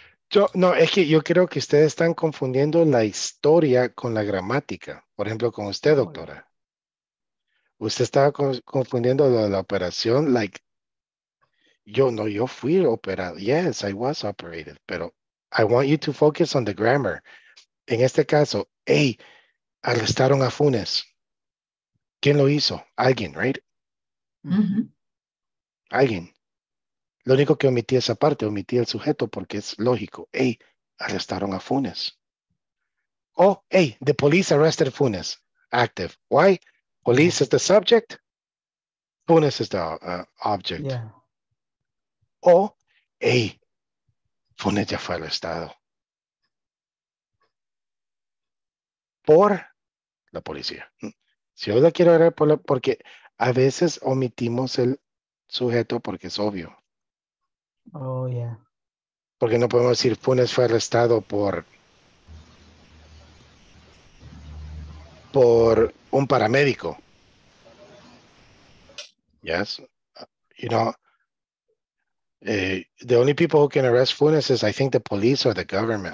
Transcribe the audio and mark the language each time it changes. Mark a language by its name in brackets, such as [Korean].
[Spanish] Yo creo que ustedes están confundiendo la historia con la gramática. Por ejemplo, con usted, doctora. Usted estaba confundiendo la operación, like, yo fui operado. [English] Yes, I was operated, pero I want you to focus on the grammar. [Spanish] En este caso, hey, arrestaron a Funes. ¿Quién lo hizo? Alguien, right? Mm-hmm. Alguien. Lo único que omití esa parte, omití el sujeto porque es lógico. Hey, arrestaron a Funes. [English] Oh, hey, the police arrested Funes. Active. Why? Police is the subject. Funes is the object. Yeah. [Spanish] Oh, hey, Funes ya fue arrestado. Por la policía. Si yo la quiero agregar porque a veces omitimos el sujeto porque es obvio. [English] Oh, yeah. [Spanish] Porque no podemos decir Funes fue arrestado por un paramédico. [English] Yes. You know, the only people who can arrest Funes is, I think, the police or the government.